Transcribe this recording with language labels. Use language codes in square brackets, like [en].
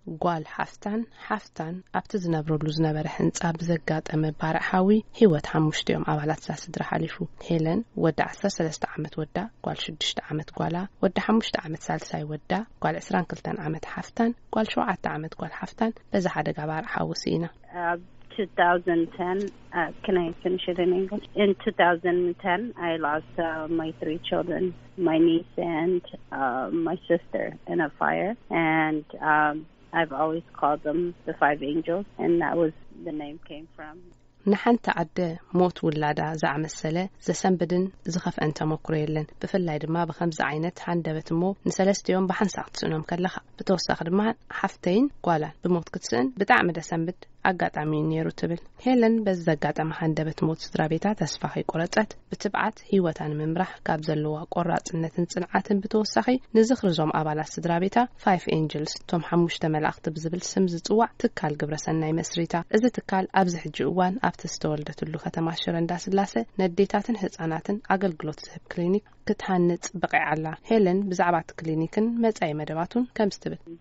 [ti] ጓል ሓፍታን ኣብቲ ዝነብረሉ ዝነበረ ህንፃ ብዘጋጠመ ባርሓዊ ሂወት 5ኦም ኣባላት እዛ ስድራ ሓሊፉ። ሄለን ወዲ 13 ዓመት ወዳ ጓል 6 ዓመት ጓላ፣ ወዲ 5 ዓመት ሳልሳይ ወዳ ጓል 22 ዓመት ሓፍታን፣ ጓል 7 ዓመት ጓል ሓፍታን በዚ ሓደጋ ባርሓዊ ስኢና። [en] 2010 can I finish it in English? In 2010 I lost my 3 children, my niece and my sister in a fire, and I've always called them the 5 angels, and that was the name came from. [ti] ንሓንቲ ኣደ ሞት ውላዳ ዝኣመሰለ ዘሰንብድን ዝኸፍአን ተመክሮ የለን። ብፍላይ ድማ ብከምዚ ዓይነት ሓንደበት እሞ ንሰለስትዮም ብሓንሳ ክትስእኖም ከለኻ፣ ብተወሳኺ ድማ ሓፍተይን ጓላን ብሞት ክትስእን ብጣዕሚ ደሰንብድ ኣጋጣሚ እዩ ነይሩ ትብል ሄለን። በዚ ዘጋጠመ ሓንደበት ሞት ስድራ ቤታ ተስፋ ከይቆረፀት ብትብዓት ህይወታ ንምምራሕ ካብ ዘለዋ ቆራፅነትን ፅንዓትን ብተወሳኺ ንዝኽርዞም ኣባላት ስድራ ቤታ ፋይፍ ኤንጀልስ እቶም 5 መላእኽቲ ብዝብል ስም ዝፅዋዕ ትካል ግብረሰናይ መስሪታ። እዚ ትካል ኣብዚ ሕጂ እዋን ኣብቲ ዝተወልደትሉ ከተማ ሽረ እንዳስላሰ ነዴታትን ህፃናትን ኣገልግሎት ዝህብ ክሊኒክ ክትሃንፅ ብቂዕ ኣላ። ሄለን ብዛዕባ እቲ ክሊኒክን መጻኢ መደባቱን ከምዚ ትብል።